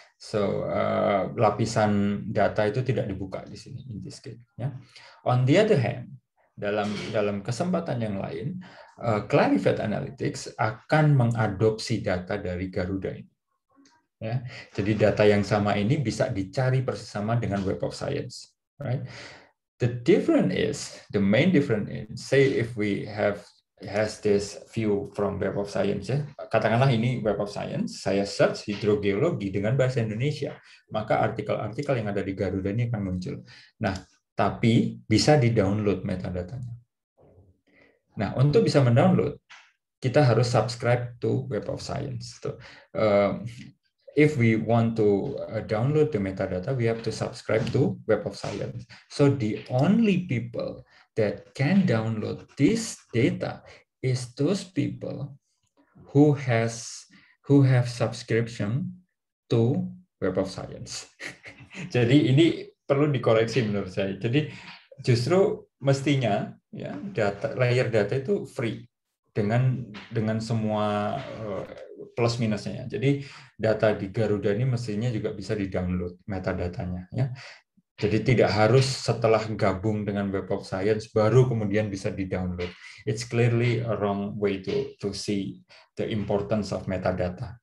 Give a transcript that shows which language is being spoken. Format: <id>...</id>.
<id>So lapisan data itu tidak dibuka di sini</id> <en>in this case.</en> <id>Yeah.</id> <en>On the other hand,</en> <id>dalam kesempatan yang lain, Clarified Analytics akan mengadopsi data dari Garuda ini. Yeah. Jadi data yang sama ini bisa dicari persis sama dengan Web of Science, right?</id> <en>The main difference is, say if we has this view from Web of Science, ya.</en> <id>Katakanlah ini Web of Science, saya search hidrogeologi dengan bahasa Indonesia, maka artikel-artikel yang ada di Garuda ini akan muncul. Nah, tapi bisa di-download metadatanya. Nah, untuk bisa mendownload, kita harus</id> <en>subscribe to</en> <id>Web of Science.</id> <en>So, if we want to download the metadata, we have to subscribe to Web of Science. So the only people that can download this data is those people who have subscription to Web of Science.</en> <id>Jadi ini perlu dikoreksi menurut saya. Jadi justru mestinya ya data layer data itu free dengan semua plus minusnya. Jadi data di Garuda ini mestinya juga bisa di-download metadatanya ya. Jadi tidak harus setelah gabung dengan Web of Science baru kemudian bisa di-download.</id> <en>It's clearly a wrong way to see the importance of metadata.</en>